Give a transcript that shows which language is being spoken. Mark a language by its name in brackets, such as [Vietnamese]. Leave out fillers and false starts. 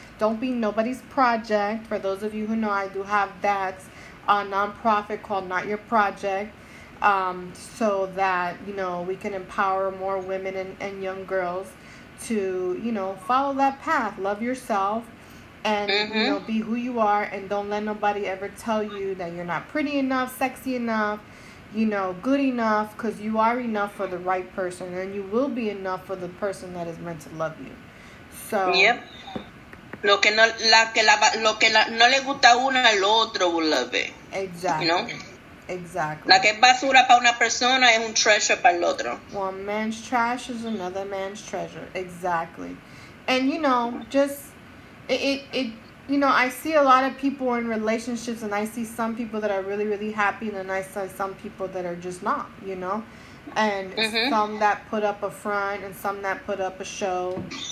[English] Don't be nobody's project. For those of you who know, I do have that nonprofit called Not Your Project, so that, you know, we can empower more women and young girls to, you know, follow that path. Love yourself and, you know, be who you are, and don't let nobody ever tell you that you're not pretty enough, sexy enough, you know, good enough, because you are enough for the right person, and you will be enough for the person that is meant to love you. So, yep. [Spanish] Lo que no le gusta uno, el otro [English] will love it. Exactly. You know? Exactly. [Spanish] La que es basura para una persona es un treasure para el otro. [English] Well, a man's trash is another man's treasure. Exactly. And, you know, just, you know, I see a lot of people in relationships, and I see some people that are really, really happy, and then I see some people that are just not, you know? And some that put up a front, and some that put up a show.